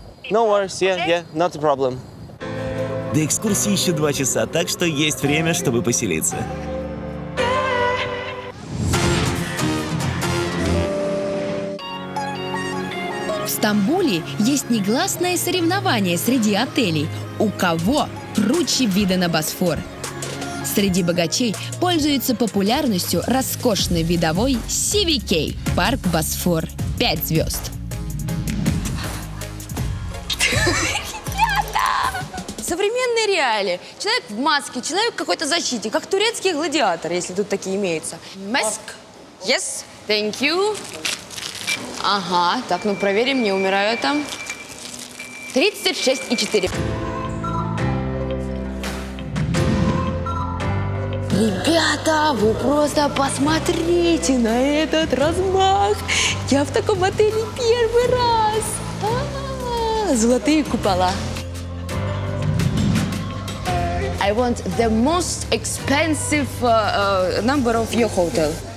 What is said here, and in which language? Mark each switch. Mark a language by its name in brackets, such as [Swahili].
[English] No worries, yeah, okay? Yeah, not a problem. [Russian] До экскурсии еще 2 часа, так что есть время, чтобы поселиться. В Стамбуле есть негласное соревнование среди отелей. У кого круче виды на Босфор? Среди богачей пользуется популярностью роскошный видовой CVK – парк Босфор. 5 звезд. Ребята! Современные реалии. Человек в маске, человек в какой-то защите, как турецкий гладиатор, если тут такие имеются. [English] Mask? Yes, thank you. [Russian] Ага, так, ну проверим, не умираю там. 36,4. Ребята, вы просто посмотрите на этот размах. Я в таком отеле первый раз. Золотые купола. [English] I want the most expensive number of your hotel.